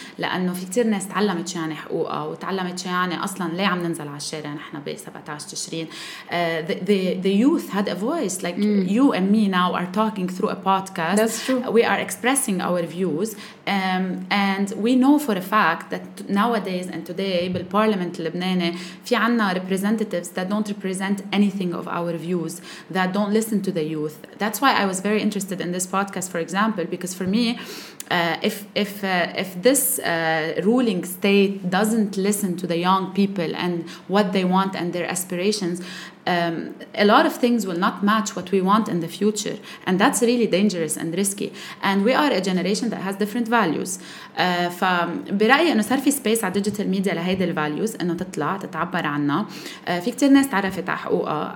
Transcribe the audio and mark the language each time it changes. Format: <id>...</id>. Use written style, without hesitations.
<ar>لأنه في كتير ناس تعلمت شو يعني حقوقها وتعلمت شو يعني أصلاً ليه عم ننزل على الشارع نحن بـ 17 تشرين.</ar> <en>The youth had a voice. Like you and me now are talking through a podcast. That's true. We are expressing our views. And we know for a fact that nowadays and today</en> <ar>بالبارلمنت اللبناني في عنا</ar> <en>representatives that don't represent anything of our views, that don't listen to the youth. That's why I was very interested in this podcast, for example, because for me, if this ruling state doesn't listen to the young people and what they want and their aspirations, a lot of things will not match what we want in the future, and that's really dangerous and risky. And we are a generation that has different values.</en> <ar>فبرأيي إنه صار في space على digital media لهيدا values إنه تطلع تتعبر عنها. في كتير ناس تعرفت على حقوقها.</ar>